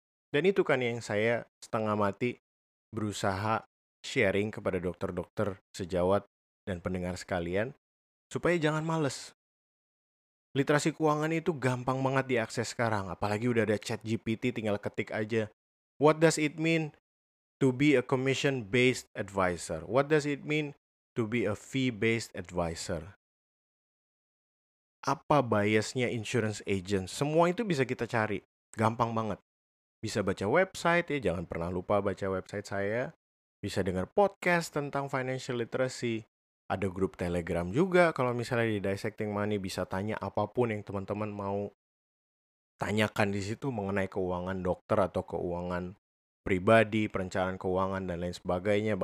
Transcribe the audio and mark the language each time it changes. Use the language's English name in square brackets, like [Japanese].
[Indonesian] Dan itu kan yang saya setengah mati berusaha sharing kepada dokter-dokter sejawat dan pendengar sekalian supaya jangan males. Literasi keuangan itu gampang banget diakses sekarang, apalagi udah ada ChatGPT, tinggal ketik aja. [English] What does it mean to be a commission-based advisor? What does it mean to be a fee-based advisor? [Indonesian] Apa biasnya insurance agent? Semua itu bisa kita cari. Gampang banget. Bisa baca website ya, jangan pernah lupa baca website saya. Bisa dengar podcast tentang financial literacy. Ada grup Telegram juga kalau misalnya di Dissecting Money, bisa tanya apapun yang teman-teman mau tanyakan di situ mengenai keuangan dokter atau keuangan pribadi, perencanaan keuangan, dan lain sebagainya.